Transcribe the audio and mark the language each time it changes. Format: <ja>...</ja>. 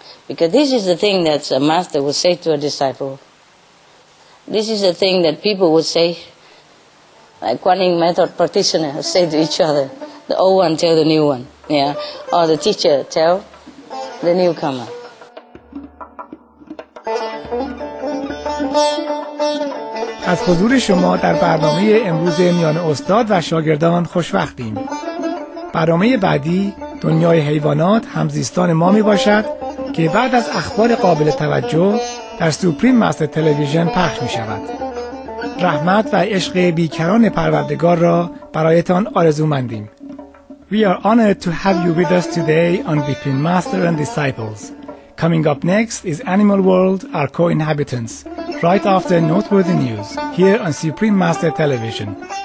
<en>Because this is the thing that a master would say to a disciple. This is the thing that people would say, like Kuan Yin method practitioners say to each other, the old one tell the new one, yeah, or the teacher tell the newcomer.</en> <fa>از حضور شما در برنامه امروز میان استاد و شاگردان خوشوقتیم. برنامه بعدی دنیای حیوانات همزیستان ما می باشد که بعد از اخبار قابل توجه در سوپریم مست تلویزیون پخش می شود. رحمت و عشق بیکران پروردگار را برایتان آرزومندیم.</fa> <en>We are honored to have you with us today on Between Master and Disciples. Coming up next is Animal World, Our Co-Inhabitants, right after Noteworthy News, here on Supreme Master Television.</en>